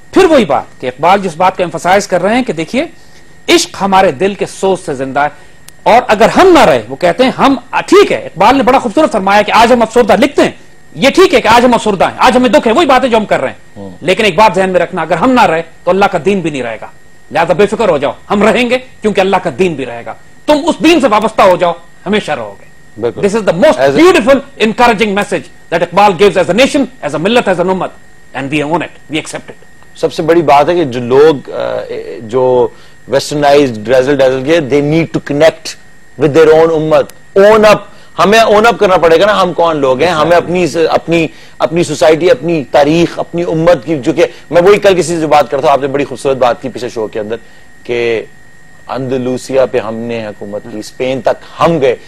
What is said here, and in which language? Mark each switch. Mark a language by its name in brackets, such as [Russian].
[Urdu] پھر وہی بات کہ اقبال جس بات کا ایمفسائز کر رہے ہیں کہ دیکھیے عشق ہمارے دل کے سوز سے زندہ ہے, اور اگر ہم نہ رہے, وہ کہتے ہیں ہم ٹھیک ہے, اقبال نے بڑا خوبصورت فرمایا کہ آج ہم افسردہ لکھتے ہیں, یہ ٹھیک ہے کہ آج ہم افسردہ ہیں, آج ہمیں دکھ ہے, وہی باتیں جو ہم کر رہے ہیں, لیکن ایک بات ذہن میں رکھنا, اگر ہم نہ رہے تو اللہ کا دین بھی نہیں رہے گا. لہذا بے فکر ہو جاؤ, ہم رہیں گے کیونکہ اللہ کا دین بھی رہے گا, تم اس دین سے وابستہ ہو جاؤ, ہمیشہ رہو گے. [English] This is the most beautiful encouraging message that Iqbal gives as a nation, as a ملت, as a امت, and we own it, we accept it. [Urdu] سب سے بڑی بات ہے کہ جو لوگ جو ویسٹرنائزڈ ڈرزل ڈرزل گئے, [English] They need to connect with their own امت, own up. [Urdu] ہمیں اون اپ کرنا پڑے گا نا, ہم کون لوگ ہیں, ہمیں اپنی سوسائٹی, اپنی تاریخ, اپنی امت کی, جو کہ میں وہی کل کسی سے بات کرتا ہوں, آپ نے بڑی خوبصورت بات کی پیچھے شو کے اندر کہ اندلوسیا پہ ہم نے حکومت کی, اسپین تک ہم گئے.